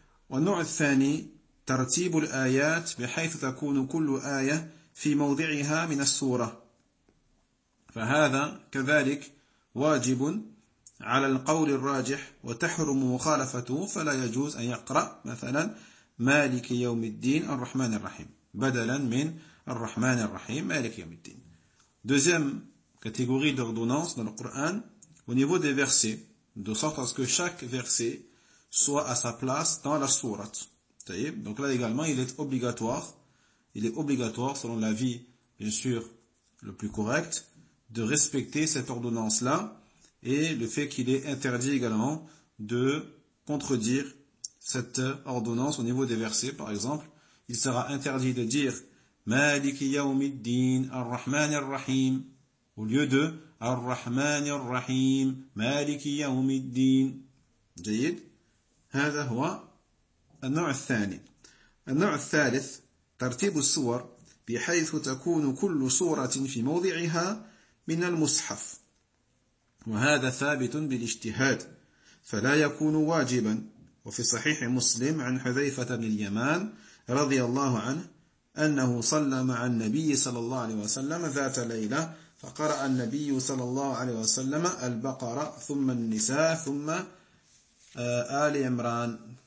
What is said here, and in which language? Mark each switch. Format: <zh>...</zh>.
<ar>والنوع الثاني ترتيب الآيات بحيث تكون كل آية في موضعها من السورة، فهذا كذلك واجب على القول الراجح وتحرم مخالفته، فلا يجوز أن يقرأ مثلا مالك يوم الدين الرحمن الرحيم بدلا من الرحمن الرحيم مالك يوم الدين.</ar> <fr>deuxième catégorie d'ordonnance dans le Coran au niveau des versets, de sorte à ce que chaque verset soit à sa place dans la sourate. Donc là également, il est obligatoire, selon l'avis, bien sûr, le plus correct, de respecter cette ordonnance-là, et le fait qu'il est interdit également de contredire cette ordonnance au niveau des versets. Par exemple, il sera interdit de dire «</fr> <ar>Maliki yaoumiddin ar-Rahman ar-Rahim</ar> <fr>» au lieu de «</fr> <ar>Ar-Rahman ar-Rahim Maliki yaoumiddin</ar> <fr>» Jayid,</fr> <ar>هذا هو النوع الثاني. النوع الثالث ترتيب الصور بحيث تكون كل صورة في موضعها من المصحف، وهذا ثابت بالاجتهاد، فلا يكون واجبا. وفي صحيح مسلم عن حذيفة بن اليمان رضي الله عنه أنه صلى مع النبي صلى الله عليه وسلم ذات ليلة فقرأ النبي صلى الله عليه وسلم البقرة ثم النساء ثم آل عمران.</ar>